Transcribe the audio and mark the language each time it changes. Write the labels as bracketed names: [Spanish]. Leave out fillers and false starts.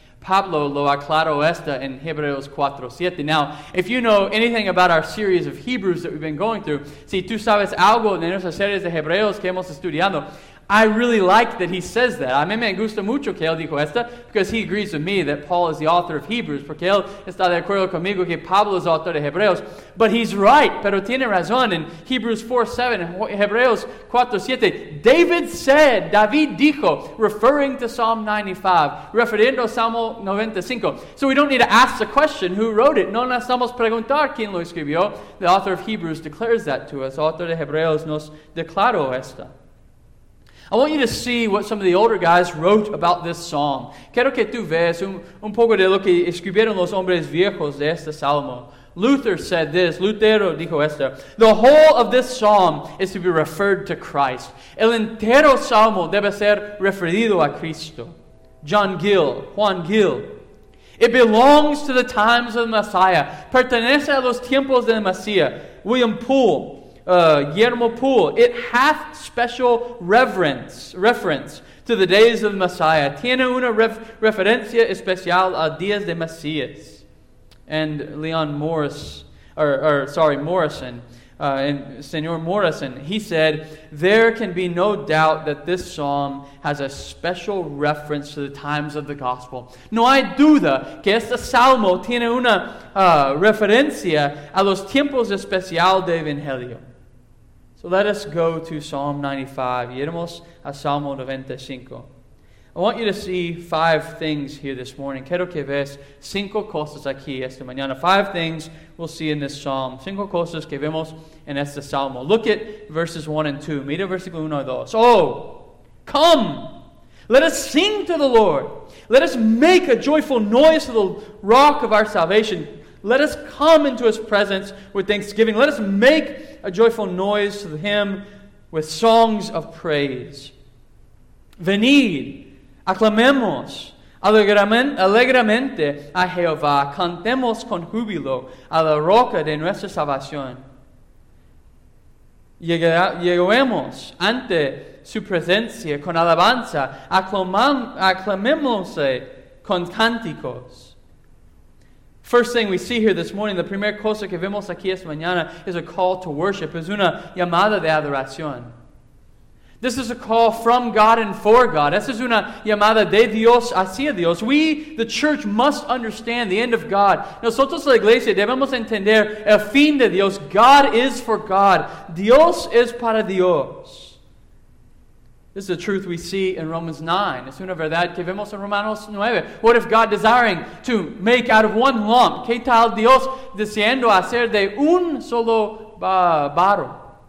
[Spanish] Pablo lo aclaró esta en Hebreos 4:7. [English] Now, if you know anything about our series of Hebrews that we've been going through, [Spanish] si tú sabes algo de nuestras series de Hebreos que hemos estudiando, [English] I really like that he says that. [Spanish] A mí me gusta mucho que él dijo esta, [English] because he agrees with me that Paul is the author of Hebrews, [Spanish] porque él está de acuerdo conmigo que Pablo es autor de Hebreos. [English] But he's right, [Spanish] pero tiene razón [English] in Hebrews 4:7 and Hebreos 4:7. David said, [Spanish] David dijo, [English] referring to Psalm 95, [Spanish] referiendo a Salmo 95. [English] So we don't need to ask the question, who wrote it? [Spanish] No necesitamos preguntar quién lo escribió. [English] The author of Hebrews declares that to us. [Spanish] Autor de Hebreos nos declaró esta. [English] I want you to see what some of the older guys wrote about this psalm. [Spanish] Quiero que tú veas un poco de lo que escribieron los hombres viejos de este salmo. [English] Luther said this. [Spanish] Lutero dijo esto. [English] The whole of this psalm is to be referred to Christ. [Spanish] El entero salmo debe ser referido a Cristo. Juan Gill. [English] It belongs to the times of the Messiah. [Spanish] Pertenece a los tiempos del Mesías. William Poole. [English] Guillermo Poole, it hath special reference to the days of the Messiah. [Spanish] Tiene una referencia especial a días de Mesías. And Leon Morris, Morrison, [English] and Senor Morrison, he said, "There can be no doubt that this psalm has a special reference to the times of the gospel. [Spanish] No hay duda que este salmo tiene una referencia a los tiempos especial de Evangelio." [English] So let us go to Psalm 95. [Spanish] Iremos a Salmo 95. [English] I want you to see five things here this morning. [Spanish] Quiero que veas cinco cosas aquí esta mañana. [English] Five things we'll see in this psalm. [Spanish] Cinco cosas que vemos en este salmo. [English] Look at verses 1 and 2. [Spanish] Mira versículo 1 y 2. [English] Oh, come, let us sing to the Lord. Let us make a joyful noise to the rock of our salvation. Let us come into His presence with thanksgiving. Let us make a joyful noise to Him with songs of praise. [Spanish] Venid. Aclamemos alegremente a Jehová, cantemos con júbilo a la roca de nuestra salvación. Lleguemos ante su presencia con alabanza, aclamémosle con cánticos. [English] First thing we see here this morning, the [Spanish] primera cosa que vemos aquí esta mañana, [English] is a call to worship, [Spanish] es una llamada de adoración. [English] This is a call from God and for God. [Spanish] Esta es una llamada de Dios hacia Dios. [English] We, the church, must understand the end of God. [Spanish] Nosotros, la iglesia, debemos entender el fin de Dios. [English] God is for God. [Spanish] Dios es para Dios. [English] This is a truth we see in Romans 9. [Spanish] Es una verdad que vemos en Romanos 9. [English] What if God desiring to make out of one lump? [Spanish] ¿Qué tal Dios deseando hacer de un solo barro?